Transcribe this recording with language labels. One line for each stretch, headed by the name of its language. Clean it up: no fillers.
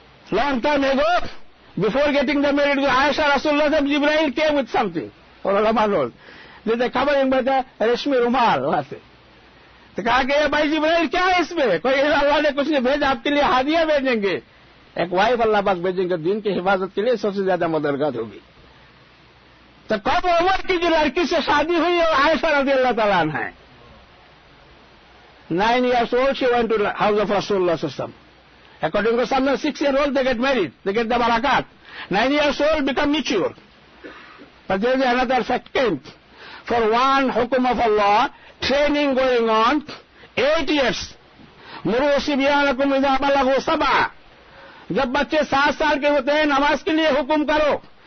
English: Long time ago, before getting the married to Aisha Rasulullah and Jibreel came with something. Or Ramadan. They were covering by the Rishmi Rumal.
Hindi: तो कहा कि भाई जिब्राइल क्या है इसमें, कोई अल्लाह ने कुछ नहीं भेजा, आपके लिए हादिया भेजेंगे, एक वाइफ अल्लाह पास भेजेंगे, दिन की हिफाजत के लिए सबसे ज्यादा मददगार होगी। तो कब उमर की जो लड़की से शादी हुई और आयशा रज़ी अल्लाह ताला अन्हा है,
English: 9 years old she went to the house of Rasulullah sallam. According to some, 6 years old they get married, they get the barakat. 9 years old become mature. But there is another fact came. For one hukum of Allah, training going on, 8 years.
Arabic: Muru sibyanakum idha balagu saba.
Hindi: Jab bachche 7 saal ke hote hain, namaz ke liye hukum karo.